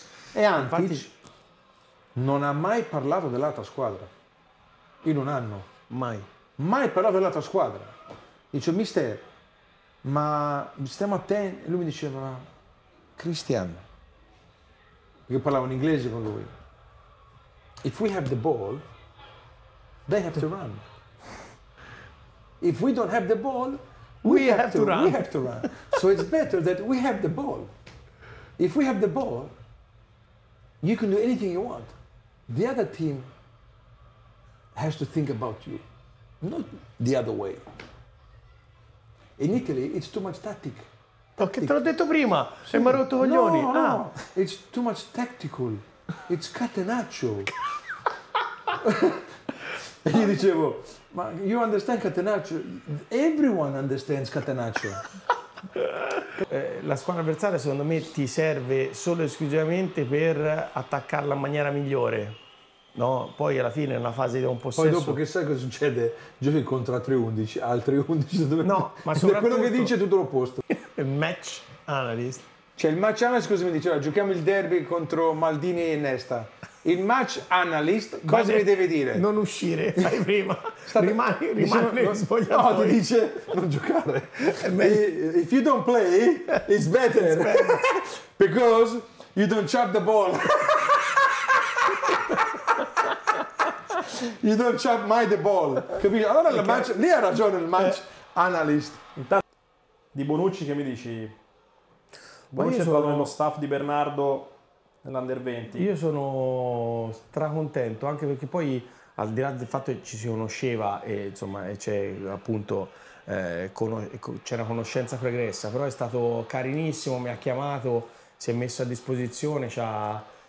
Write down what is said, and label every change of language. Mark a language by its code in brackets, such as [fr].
[it] E Antic non ha mai parlato dell'altra squadra in un anno. Mai. Mai parlato dell'altra squadra. Dice, mister, ma stiamo attenti. E lui mi diceva, Christian, io parlavo in inglese con lui. [en] If we have the ball, they have to run. If we don't have the ball, we have to run. We have to run. So it's better that we have the ball. If we have the ball, you can do anything you want. The other team has to think about you, not the other way. In Italy, it's too much tactic. [it] Che te l'ho detto prima, sì, mi ha rotto coglioni. [en] No, no, no. It's too much tactical. It's catenaccio. [it] E gli dicevo, ma [en] you understand [it] catenaccio? [en] Everyone understands catenaccio. [it] La squadra avversaria secondo me ti serve solo e esclusivamente per attaccarla in maniera migliore. No, poi alla fine è una fase di un possesso. Poi dopo che sai cosa succede? Giochi contro altri 11, altri 11. Dove... No, ma soprattutto... quello che dice è tutto l'opposto. Il match analyst. Cioè il match analyst, scusa, mi diceva, giochiamo il derby contro Maldini e Nesta. Il match analyst cosa mi deve dire? Non uscire, fai prima. Rimani spogliato. No, ti dice non giocare. [en] If you don't play, it's better. Because you don't chop the ball. You don't chop my the ball. [it] Capisci? Allora il match, lì ha ragione il match analyst. Intanto, di Bonucci che mi dici? Bonucci è stato nello staff di Bernardo nell'Under 20. Io sono stracontento, anche perché poi, al di là del fatto che ci si conosceva e insomma c'è appunto c'è una conoscenza pregressa, però è stato carinissimo, mi ha chiamato, si è messo a disposizione, ci ha...